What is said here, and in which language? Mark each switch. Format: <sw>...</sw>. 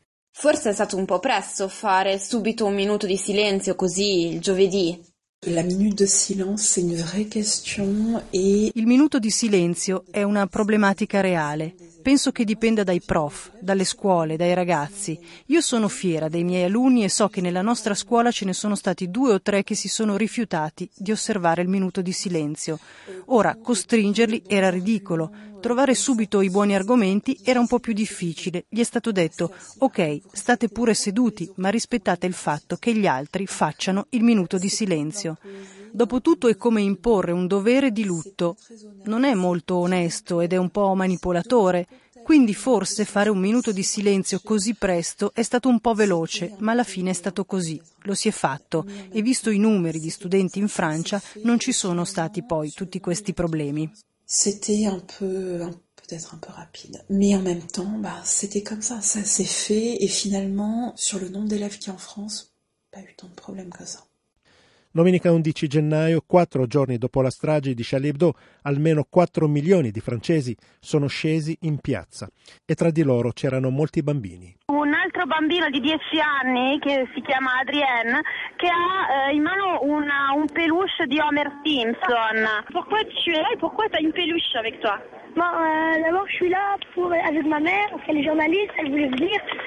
<it>Forse è stato un po' presto fare subito un minuto di silenzio così il giovedì.</it> <fr>La minute de silence c'est une vraie question et</fr> <it>il minuto di silenzio è una problematica reale. Penso che dipenda dai prof, dalle scuole, dai ragazzi. Io sono fiera dei miei alunni e so che nella nostra scuola ce ne sono stati due o tre che si sono rifiutati di osservare il minuto di silenzio. Ora, costringerli era ridicolo. Trovare subito i buoni argomenti era un po' più difficile. Gli è stato detto: ok, state pure seduti, ma rispettate il fatto che gli altri facciano il minuto di silenzio. Dopotutto è come imporre un dovere di lutto. Non è molto onesto ed è un po' manipolatore. Quindi forse fare un minuto di silenzio così presto è stato un po' veloce, ma alla fine è stato così. Lo si è fatto. E visto i numeri di studenti in Francia, non ci sono stati poi tutti questi problemi.</it> <fr>C'était un peu, peut-être un peu rapide, mais en même temps, bah, c'était comme ça, ça s'est fait, et finalement, sur le nombre d'élèves qu'il y a en France, pas eu tant de problèmes que ça.</fr> <it>Domenica 11 gennaio, quattro giorni dopo la strage di Charlie Hebdo, almeno 4 milioni di francesi sono scesi in piazza e tra di loro c'erano molti bambini. Un altro bambino di 10 anni, che si chiama Adrien, che ha in mano un peluche di Homer Simpson. Perché</it> <fr>tu es là</fr> <it>e perché</it> <fr>t'as un peluche avec toi? D'abord, je suis là pour, avec ma mère, parce qu'elle est journaliste, elle voulait venir.</fr>